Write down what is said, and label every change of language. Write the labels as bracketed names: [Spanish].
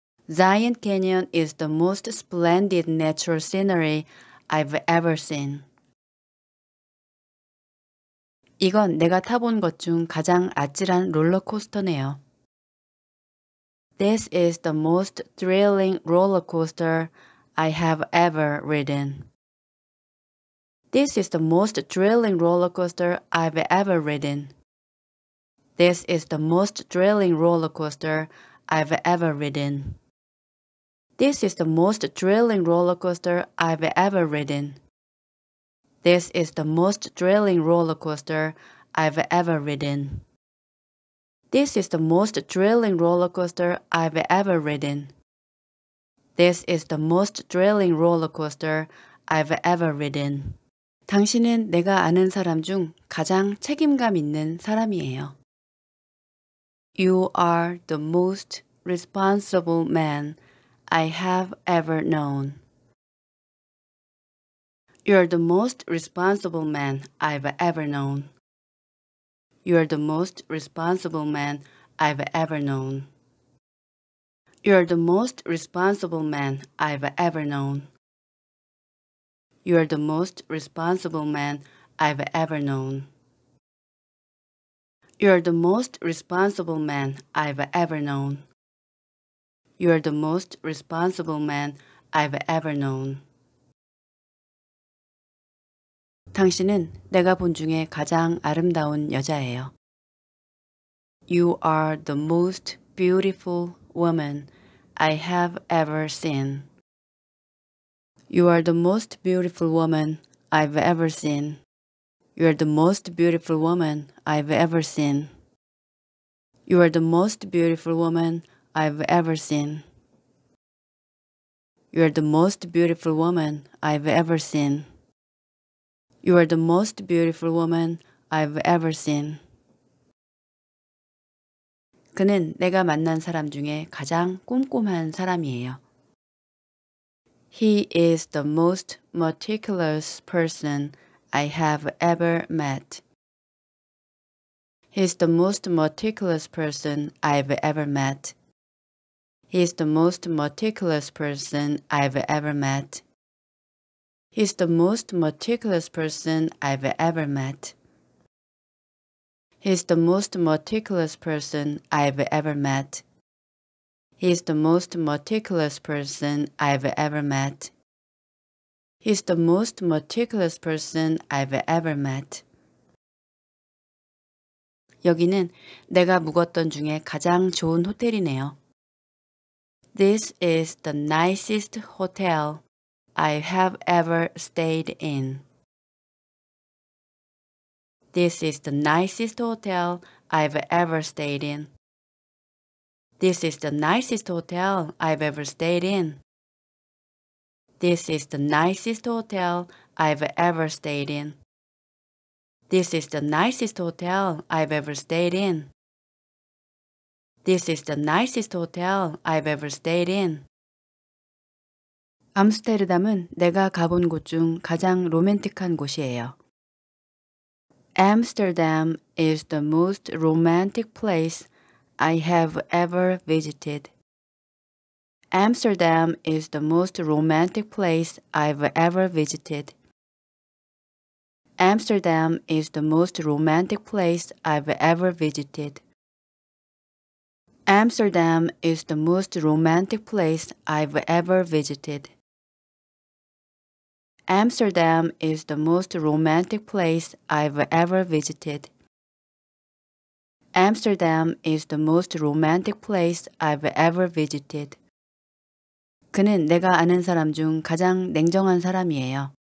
[English] Zion Canyon is the most splendid natural scenery I've ever seen. [Korean] 이건 내가 타본 것 중 가장 아찔한 롤러코스터네요. [English] This is the most thrilling roller coaster I have ever ridden. This is the most thrilling roller coaster I've ever ridden. This is the most thrilling roller coaster I've ever ridden. This is the most thrilling roller coaster I've ever ridden. This is the most thrilling roller coaster I've ever ridden. This is the most thrilling roller coaster I've ever ridden. This is the most thrilling roller coaster I've ever ridden. [Korean] 당신은 내가 아는 사람 중 가장 책임감 있는 사람이에요. [English] You are the most responsible man I have ever known. You're the most responsible man I've ever known. You're the most responsible man I've ever known. You're the most responsible man I've ever known. You're the most responsible man I've ever known. You're the most responsible man I've ever known. You're the most responsible man I've ever known. [Korean] 당신은 내가 본 중에 가장 아름다운 여자예요. [English] You are the most beautiful woman I have ever seen. You are the most beautiful woman I've ever seen. You are the most beautiful woman I've ever seen. You are the most beautiful woman I've ever seen. You are the most beautiful woman I've ever seen. You are the most beautiful woman I've ever seen. [Korean] 그는 내가 만난 사람 중에 가장 꼼꼼한 사람이에요. [English] He is the most meticulous person I have ever met. He is the most meticulous person I've ever met. He is the most meticulous person I've ever met. He is the most meticulous person I've ever met. He is the most meticulous person I've ever met. He is the most meticulous person I've ever met. He is the most meticulous person I've ever met. [Korean] 여기는 내가 묵었던 중에 가장 좋은 호텔이네요. [English] This is the nicest hotel I have ever stayed in. This is the nicest hotel I've ever stayed in. This is the nicest hotel I've ever stayed in. This is the nicest hotel I've ever stayed in. This is the nicest hotel I've ever stayed in. This is the nicest hotel I've ever stayed in. [Korean] 암스테르담은 내가 가본 곳 중 가장 로맨틱한 곳이에요. [English] Amsterdam is the most romantic place I have ever visited. Amsterdam is the most romantic place I've ever visited. Amsterdam is the most romantic place I've ever visited. Amsterdam is the most romantic place I've ever visited. Amsterdam is the most romantic place I've ever visited. Amsterdam is the most romantic place I've ever visited. [Korean] 그는 내가 아는 사람 중 가장 냉정한 사람이에요.